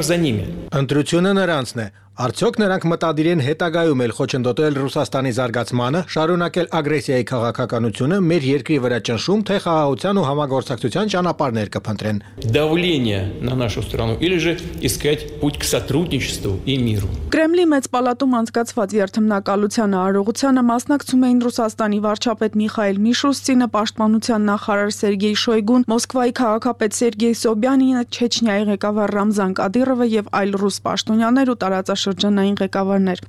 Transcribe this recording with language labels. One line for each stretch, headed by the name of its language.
Armenian: Ընտրությունը նրանցն է։ Արդյոք նրանք մտադիր են հետագայում էլ խոչընդոտել Ռուսաստանի զարգացմանը, շարունակել ագրեսիայի քաղաքականությունը, մեր երկրի վրա ճնշում, թե խաղաղության ու համագործակցության ճանապարհներ կփնտրեն։
Russian: Давление на нашу страну или же искать путь к сотрудничеству и миру։
Armenian: Կրեմլի մեծ պալատում անցկացված երթմնակալության առողջությանը մասնակցում էին Ռուսաստանի վարչապետ Միխայել Միշուստինը, պաշտպանության նախարար Սերգեյ Շոյգուն, Մոսկվայի քաղաքապետ Սերգեյ Սոբյանին, Չեչնիայի ղեկավար Ռամզան Կադիրովը եւ այլ ռուս պաշտոնյաներ ու տարած շրջանային ղեկավարներ։